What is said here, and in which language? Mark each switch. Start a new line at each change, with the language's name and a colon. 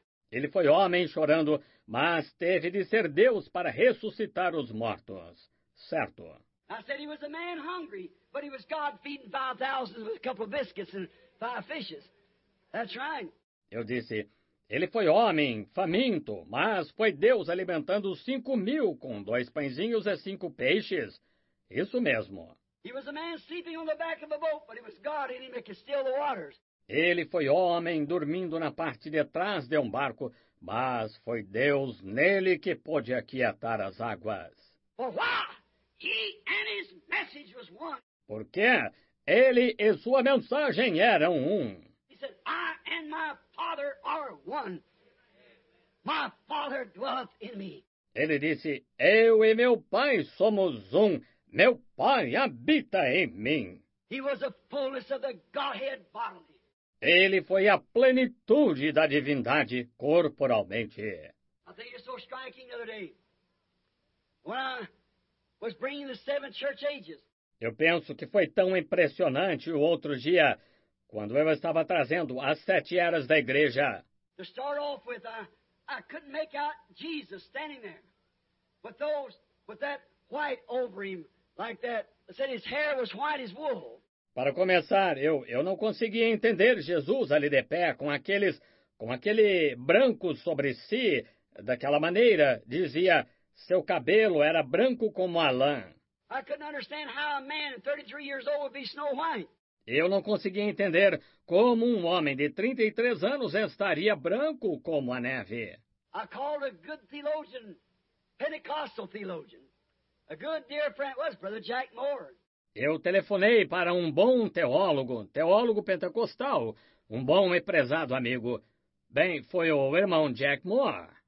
Portuguese: Ele foi homem chorando, mas teve de ser Deus para ressuscitar os mortos. Certo.
English: I said he was a man hungry, but he was God feeding 5,000 with a couple of biscuits and five fishes. That's right.
Portuguese: Eu disse, ele foi homem faminto, mas foi Deus alimentando 5,000 com 2 pãezinhos e 5 peixes. Isso mesmo.
English: He was a man sleeping on the back of a boat, but it was God in him that could still the waters.
Portuguese: Ele foi homem dormindo na parte de trás de barco, mas foi Deus nele que pôde aquietar as águas.
English: He and his message was one.
Portuguese: Por quê? Ele e sua mensagem eram um.
English: He said, I and my Father are one. My Father dwelleth in me.
Portuguese: Ele disse, eu e meu Pai somos um. Meu Pai habita em mim.
English: He was the fullness of the Godhead bodily.
Portuguese: Ele foi a plenitude da divindade corporalmente.
English: I think it's so striking the other day. When I was bringing the seven church ages.
Portuguese: Eu penso que foi tão impressionante o outro dia, quando eu estava trazendo as 7 eras da igreja.
English: To start off with, I couldn't make out Jesus standing there. With that white over him, like that. I said his hair was white as wool.
Portuguese: Para começar, eu não conseguia entender Jesus ali de pé, com aquele branco sobre si, daquela maneira, dizia... Seu cabelo era branco como a lã.
English: I couldn't understand how a man 33 years old would be snow white.
Portuguese: Eu não conseguia entender como um homem de 33 anos estaria branco como a neve.
English: I called a good theologian, Pentecostal theologian, a good dear friend was Brother Jack Moore.
Portuguese: Eu telefonei para um bom teólogo pentecostal, um bom e prezado amigo. Bem, foi o irmão Jack Moore.